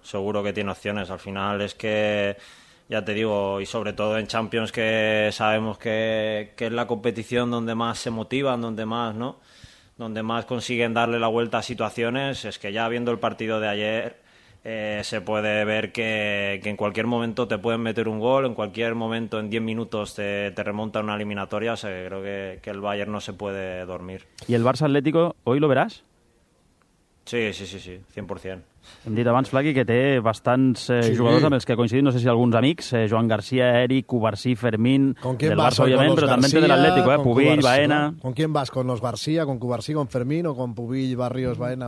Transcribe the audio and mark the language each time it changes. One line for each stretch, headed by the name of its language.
Spanish: Seguro que tiene opciones. Al final es que, ya te digo, y sobre todo en Champions, que sabemos que es la competición donde más se motivan, donde más consiguen darle la vuelta a situaciones, es que ya viendo el partido de ayer... se puede ver que en cualquier momento te pueden meter un gol, en cualquier momento, en 10 minutos, te remonta una eliminatoria. O sea, que creo que el Bayern no se puede dormir. ¿Y el Barça Atlético hoy lo verás? Sí, 100%.
Catalan: Hem dit abans, Flaqui, que té bastants jugadors amb els que coincidim, no sé si alguns amics, Joan Garcia, Eric, Cubarsí, Fermín, del Barça, òbviament, però també té de l'Atlético, Pubill, Baena...
Spanish: ¿Con quién vas? ¿Con los García, con Cubarsí, con Fermín o con Pubill, Barrios, Baena?